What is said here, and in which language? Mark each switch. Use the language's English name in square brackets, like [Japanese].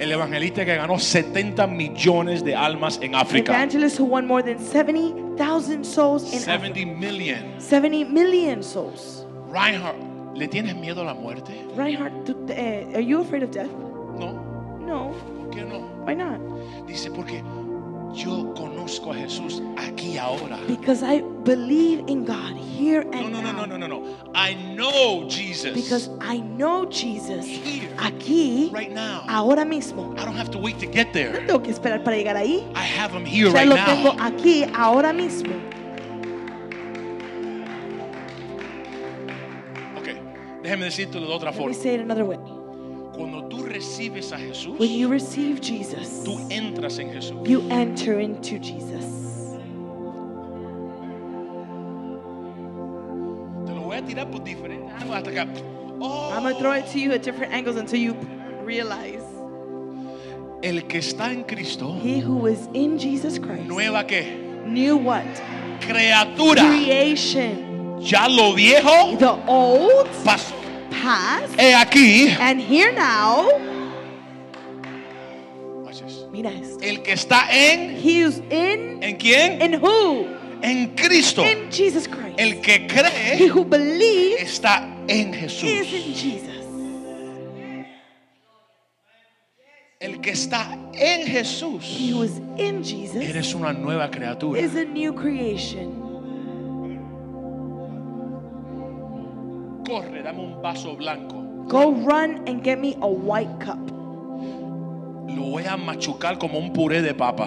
[Spanish] El evangelista que ganó 70 millones de almas en África. [English] The evangelist who won more than 70,000 souls in 70 Africa. Million. 70 million souls. [Spanish] Reinhard, ¿le tienes miedo a la muerte? [English] Reinhard, are you afraid of death? [Spanish] No. [English] No. [Spanish] ¿Por qué no? [English] Why not? [Spanish] Dice porque yo conozco a Jesús aquí ahora. [English] Because I believe in God here and [Spanish] no, no, [English] now. No. I know Jesus. Because I know Jesus here. [Spanish] Aquí. [English] Right now. [Spanish] Ahora mismo. [English] I don't have to wait to get there. [Spanish] No tengo que esperar para llegar ahí. [English] I have him here right now. [Spanish] Ya lo tengo aquí ahora mismo. Okay. Déjeme decírtelo de otra forma. [English] Let me say it another way. [Spanish] Cuando tú recibes a Jesús, [English] when you receive Jesus, [Spanish] tú entras en Jesús. [English] You enter into Jesus. [Spanish] Te lo voy a tirar por diferentes ángulos hasta que, oh. [English] I'm gonna throw it to you at different angles until you realize. [Spanish] El que está en Cristo, [English] he who is in Jesus Christ, [Spanish] nueva qué? [English] New what? [Spanish] Criatura. [English] Creation. [Spanish] Ya lo viejo. [English] The old. [Spanish] Pasó. [English] Has, [Spanish] he aquí, [English] and here now, watch this. [Spanish] Mira esto. El que está en, [English] he is in, [Spanish] en quién? [English] In who? [Spanish] En Cristo. [English] In Jesus Christ. [Spanish] El que cree, [English] he who believes, [Spanish] está en Jesús. [English] Is in Jesus. [Spanish] El que está en Jesús, [English] he who is in Jesus, [Spanish] eres una nueva criatura. [English] Is a new creation. [Spanish] Corre, dame un vaso blanco. [English] Go run and get me a white cup. [Spanish] Lo voy a machucar como un puré de papa.